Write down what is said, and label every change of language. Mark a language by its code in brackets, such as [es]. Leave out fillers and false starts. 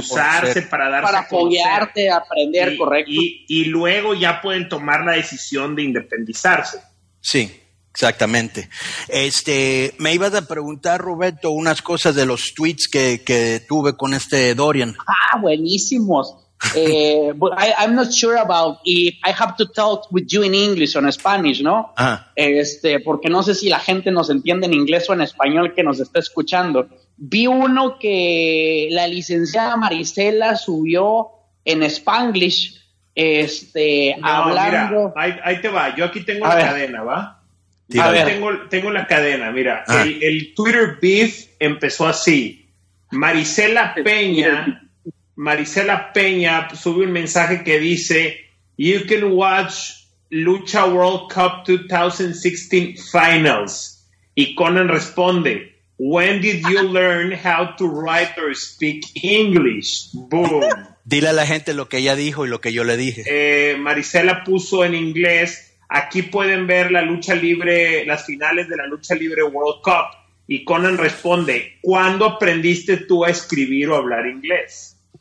[es] usarse, para darse para apoyarte, conocer, aprender, y, correcto. Y luego ya pueden tomar la decisión de independizarse. Sí, exactamente. Me ibas a preguntar, Roberto, unas cosas de los tweets que tuve con este Dorian. Ah, buenísimos. [en] but I'm not sure about if I have to talk with you in English or in Spanish, ¿no? Ah. [es] Porque no sé si la gente nos entiende en inglés o en español que nos está escuchando. Vi uno que la licenciada Marisela subió en Spanglish, no, hablando. Mira, ahí te va. Yo aquí tengo cadena, ¿va? Tira. A ver, tengo la cadena. Mira, el Twitter beef empezó así. Marisela Peña. Marisela Peña sube un mensaje que dice: [en] "You can watch Lucha World Cup 2016 finals." [es] Y Conan responde: [en] "When did you learn how to write or speak English?" Boom. [es] Dile a la gente lo que ella dijo y lo que yo le dije. Marisela puso en inglés: "Aquí pueden ver la lucha libre, las finales de la Lucha Libre World Cup." Y Conan responde: "¿Cuándo aprendiste tú a escribir o hablar inglés?"